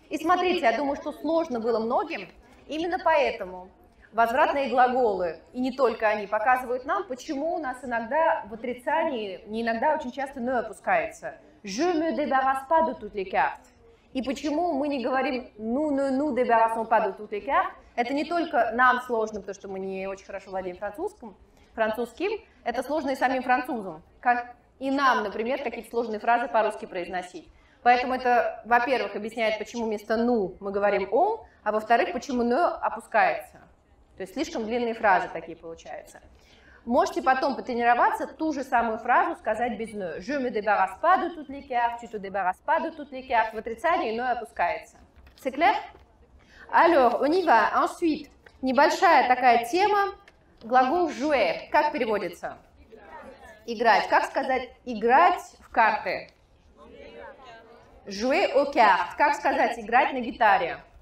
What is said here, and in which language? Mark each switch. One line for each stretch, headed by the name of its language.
Russian: И смотрите, я думаю, что сложно было многим. Именно поэтому возвратные глаголы, и не только они, показывают нам, почему у нас иногда в отрицании, не иногда, очень часто «ne» опускается.
French: Je me débarrasse pas de toutes les cartes.
Russian: И почему мы не говорим
French: «nous débarrassons pas de toutes les cartes».
Russian: Это не только нам сложно, потому что мы не очень хорошо владеем французским, это сложно и самим французам. Как и нам, например, какие-то сложные фразы по-русски произносить. Поэтому это, во-первых, объясняет, почему вместо ну мы говорим о, а во-вторых, почему ну опускается. То есть слишком длинные фразы такие получаются. Можете потом потренироваться ту же самую фразу сказать без ну.
French: Je me débarrasse pas de toutes les cartes, tu te débarrasses pas de toutes les cartes.
Russian: В отрицании ну опускается.
French: C'est clair? Alors, on y va.
Russian: Ensuite, небольшая такая тема. Глагол jouer. Как переводится? Играть. Как сказать играть в карты?
French: Jouer au cart.
Russian: Как сказать играть на гитаре?